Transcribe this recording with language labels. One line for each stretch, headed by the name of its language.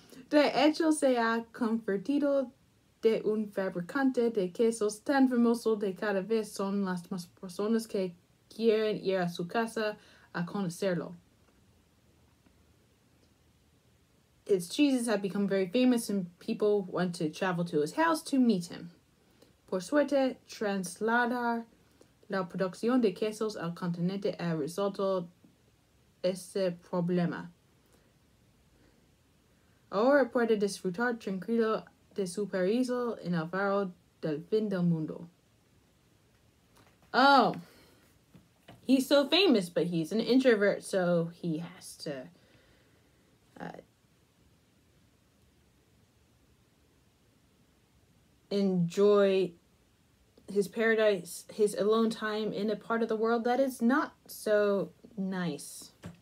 Spanish: De hecho, se ha convertido de un fabricante de quesos tan famoso que cada vez son las más personas que quieren ir a su casa a conocerlo.
English: his cheeses had become very famous and people went to travel to his house to meet him.
Spanish: Por suerte, trasladar la producción de quesos al continente ha resuelto ese problema. Ahora puede disfrutar tranquilo de su paraíso en el faro del fin del mundo.
English: Oh, he's so famous, but he's an introvert, so he has to enjoy his paradise, his alone time in a part of the world that is not so nice.